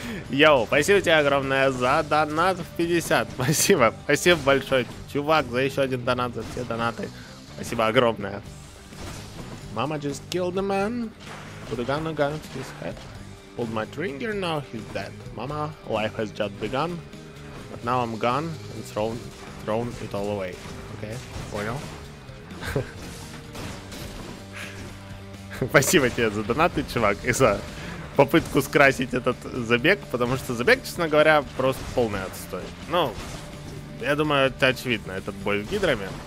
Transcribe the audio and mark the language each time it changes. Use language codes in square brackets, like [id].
[ru] Йоу, спасибо тебе огромное за донат в 50. Спасибо, спасибо большое, чувак, за еще один донат, за все донаты. Спасибо огромное. [en] Мама just killed a man. Put a gun against his head. Pulled my trigger, now he's dead. Mama, life has just begun. But now I'm gone and thrown it all away. Okay, [ru] понял? Спасибо тебе за донаты, чувак, и за попытку скрасить этот забег, потому что забег, честно говоря, просто полный отстой. Ну, я думаю, это очевидно, этот бой в гидроме.